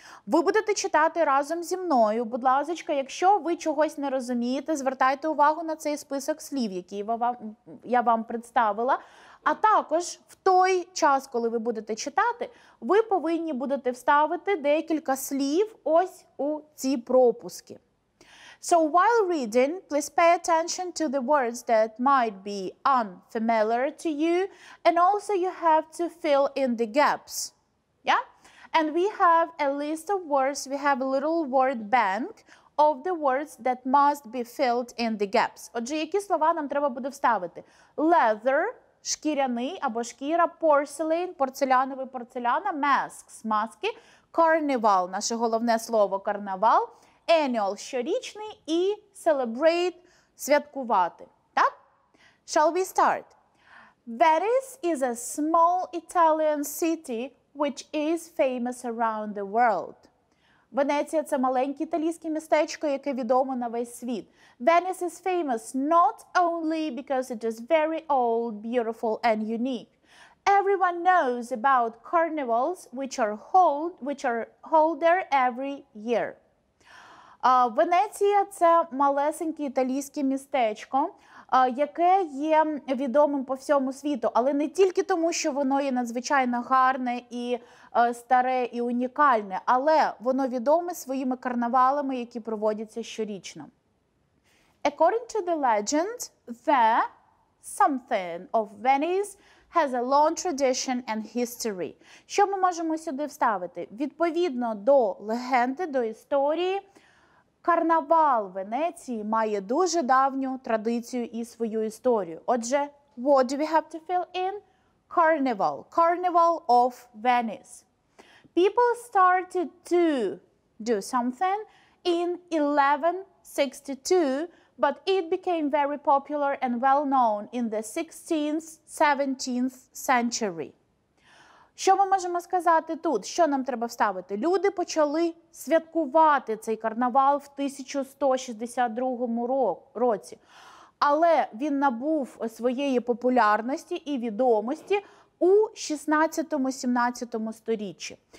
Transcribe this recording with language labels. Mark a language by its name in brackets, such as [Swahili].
[Ukrainian] Ви будете читати разом зі мною. Будь ласка, якщо ви чогось не розумієте, звертайте увагу на цей список слів, які я вам представила. А також в той час, коли ви будете читати, ви повинні будете вставити декілька слів ось у ці пропуски. [English] So while reading, please pay attention to the words that might be unfamiliar to you, and also you have to fill in the gaps. Yeah? And we have a list of words, we have a little word bank of the words that must be filled in the gaps. [Ukrainian] Отже, які слова нам треба буде вставити? Leather, шкіряний або шкіра, porcelain, порцеляновий, порцеляна, masks, маски, carnival, наше головне слово, карнавал, annual, щорічний, і celebrate, святкувати. Так? [English] Shall we start? Venice is a small Italian city which is famous around the world. [Ukrainian] Венеція – це маленьке італійське містечко, яке відомо на весь світ. [English] Venice is famous not only because it is very old, beautiful and unique. Everyone knows about carnivals, which are held there every year. [Ukrainian] Венеція – це малесеньке італійське містечко, яке є відомим по всьому світу, але не тільки тому, що воно є надзвичайно гарне і старе і унікальне, але воно відоме своїми карнавалами, які проводяться щорічно. [English] According to the legend, the something of Venice has a long tradition and history. [Ukrainian] Що ми можемо сюди вставити? Відповідно до легенди, до історії, карнавал Венеції має дуже давню традицію і свою історію. Отже, [English] what do we have to fill in? Carnival. Carnival of Venice. People started to do something in 1162, but it became very popular and well known in the 16th, 17th century. [Ukrainian] Що ми можемо сказати тут? Що нам треба вставити? Люди почали святкувати цей карнавал в 1162 році. Але він набув своєї популярності і відомості у 16-17 сторіччі.